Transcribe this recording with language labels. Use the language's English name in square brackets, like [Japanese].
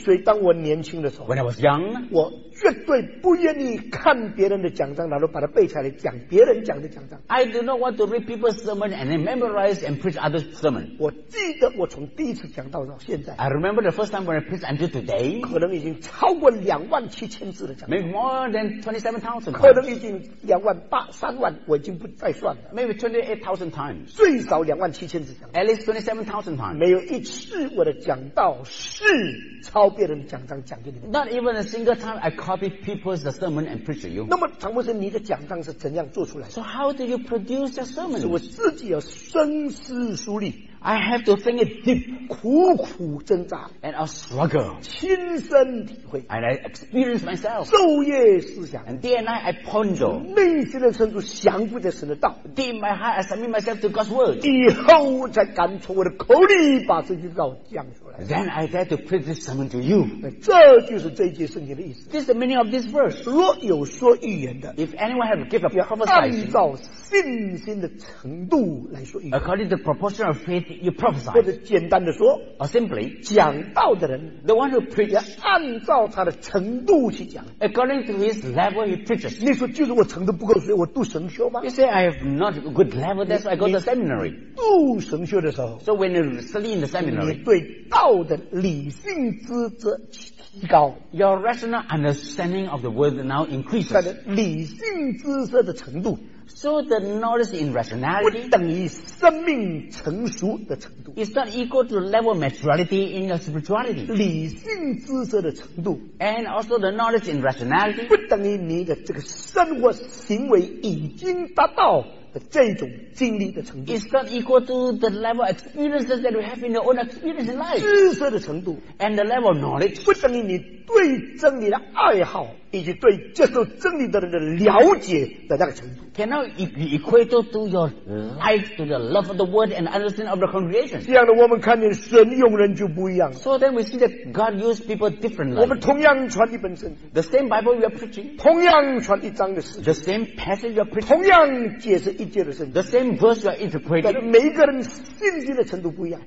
[Chinese] 所以当我年轻的时候 [English] When I was young [Chinese] 我绝对不愿意看别人的讲章然后把它背下来讲讲别人讲的讲章。 [English] I do not want to read people's sermon and then memorize and preach other sermon. [Chinese] 我记得我从第一次讲道到现在。 [English] I remember the first time when I preached until today. [Chinese] 可能已经超过27,000字的讲章。 [English] Maybe more than 27,000. [Chinese] 可能已经28,000-30,000，我已经不再算了。 [English] Maybe 28,000 times. [Chinese] 最少27,000字讲章。 [English] At least 27,000 times. [Chinese] 没有一次我的讲道是抄别人的讲章讲给你们。 [English] Not even a single time I copy people's sermon and preach to you. [Chinese] 那么常牧师，你的讲章是怎样做出来的？ [English] So how do you produce your sermon? [Chinese] 是我自己要深思熟虑。 [English] I have to think it deep. [Chinese] 苦苦挣扎。 [English] And I struggle. [Chinese] 亲身体会。 [English] And I experience myself. [Chinese] 昼夜思想。 [English] And day and night I ponder. [Chinese] 内心的深处降服着神的道。 [English] Deep in my heart I submit myself to God's word. [Chinese] 以后才敢从我的口里把这句道讲出来。 [English] Then I dare to preach this sermon to you. [Chinese] 这就是这一节圣经的意思。 [English] This is the meaning of this verse. [Chinese] 若有说预言的。 [English] If anyone have a gift of prophesying. [Chinese] 按照信心的程度来说预言。 [English] According to the proportion of faith. You prophesy. [Chinese] 或者简单的说 [English] or simply, [Chinese] 讲道的人 [English] the one who preaches, [Chinese] 按照他的程度去讲 [English] according to his level he preaches. [Chinese] 你说就是我程度不够所以我读神学吗？ [English] You say I have not a good level, that's why I go to seminary. [Chinese] 读神学的时候 [English] so when you study in the seminary, [Chinese] 你对道的理性知识提高 [English] your rational understanding of the word now increases. [Chinese] 他的理性知识的程度 [English] So the knowledge in rationality [Chinese] 不等于生命成熟的程度 [English] is not equal to level maturity in your spirituality [Chinese] 理性知识的程度 [English] and also the knowledge in rationality [Chinese] 不等于你的这个生活行为已经达到的这种经历的程度 [English] is not equal to the level experiences that we have in your own experience in life [Chinese] 知识的程度 [English] and the level knowledge [Chinese] 不等于你对真理的爱好以及对接受真理的人的了解的那个程度 [English] cannot be equated to your life to the love of the word and understanding of the congregation [Chinese] 这样的我们看见神用人就不一样 [English] so then we see that God used people differently [Chinese] 我们同样传一本圣经 [English] the same Bible we are preaching [Chinese] 同样传一章的圣经 [English] the same passage we are preaching [Chinese] 同样解释一节的圣经 [English] the same verse we are interpreting [Chinese] 但每个人信心的程度不一样